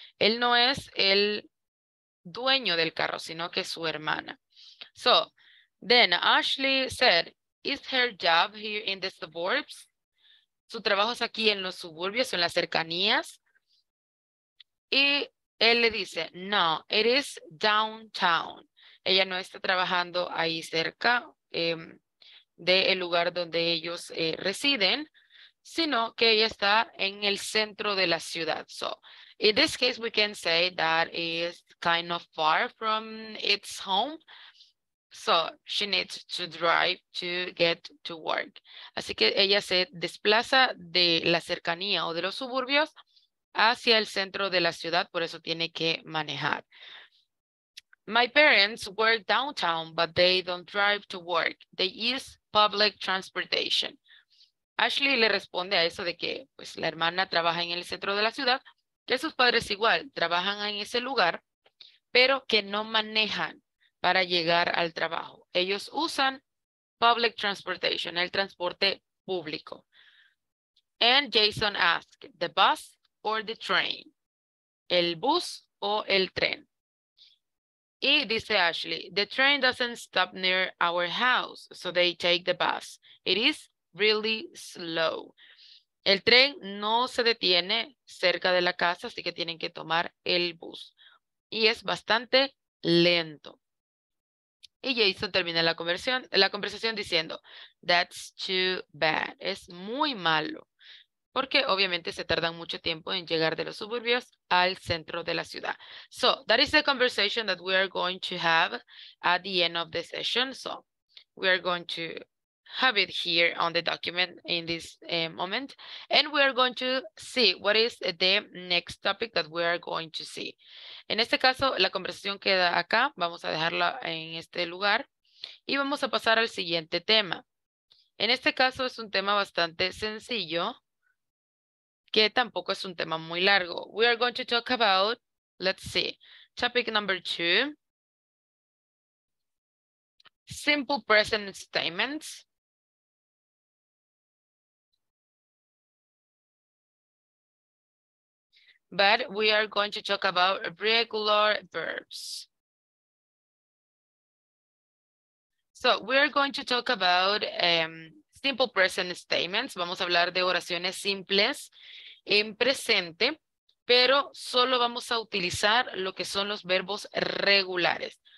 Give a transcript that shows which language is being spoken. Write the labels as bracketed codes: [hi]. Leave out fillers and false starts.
[es] Él no es el dueño del carro, sino que es su hermana. [en] So then Ashley said, is her job here in the suburbs? [es] Su trabajo es aquí en los suburbios, en las cercanías. Y él le dice, no, [en] it is downtown. [es] Ella no está trabajando ahí cerca del lugar donde ellos residen, sino que ella está en el centro de la ciudad. [en] So, in this case, we can say that is kind of far from its home. So, she needs to drive to get to work. [es] Así que ella se desplaza de la cercanía o de los suburbios hacia el centro de la ciudad, por eso tiene que manejar. [en] My parents work downtown, but they don't drive to work. They use public transportation. [es] Ashley le responde a eso de que pues, la hermana trabaja en el centro de la ciudad, que sus padres igual trabajan en ese lugar, pero que no manejan para llegar al trabajo. Ellos usan [en] public transportation, [es] el transporte público. [en] And Jason asks, the bus or the train? [es] El bus o el tren. Y dice Ashley, [en] the train doesn't stop near our house, so they take the bus. It is really slow. [es] El tren no se detiene cerca de la casa, así que tienen que tomar el bus. Y es bastante lento. Y Jason termina la conversación diciendo, [en] that's too bad. [es] Es muy malo. Porque obviamente se tardan mucho tiempo en llegar de los suburbios al centro de la ciudad. [en] So, that is the conversation that we are going to have at the end of the session. So, we are going to have it here on the document in this moment. And we are going to see what is the next topic that we are going to see. [es] En este caso, la conversación queda acá. Vamos a dejarla en este lugar. Y vamos a pasar al siguiente tema. En este caso, es un tema bastante sencillo, que tampoco es un tema muy largo. [en] We are going to talk about, let's see, topic number two, simple present statements. But we are going to talk about regular verbs. So we are going to talk about simple present statements. [es] Vamos a hablar de oraciones simples en presente, pero solo vamos a utilizar lo que son los verbos regulares.